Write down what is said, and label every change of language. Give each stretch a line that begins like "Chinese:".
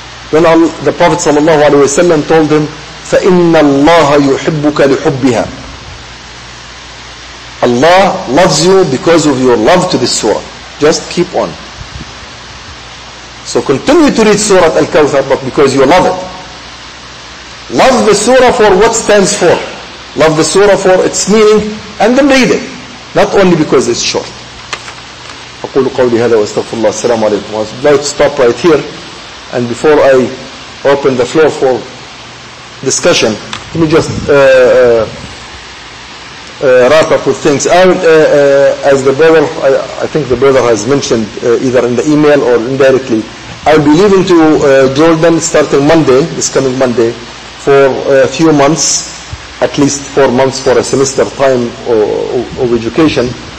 English: Then the Prophet sallallahu alaihi wasallam told him,
Arabic: فَإِنَّ اللَّهَ يُحِبُّكَ لِحُبِّهَا
English: Allah loves you because of your love to this surah. Just keep on. So continue to read Surat Al-Kawthar, but because you love it. Love the surah for what stands for. Love the surah for its meaning, and then read it. Not only because it's short.
Arabic: أقول قولي هذا وأستغفر الله السلام عليكم.
English: I would like to stop right here. And before I open the floor for discussion, let me just wrap up with things. As the brother, I think the brother has mentioned either in the email or indirectly, I'll be leaving to Jordan starting Monday, this coming Monday, for a few months, at least 4 months for a semester time of education.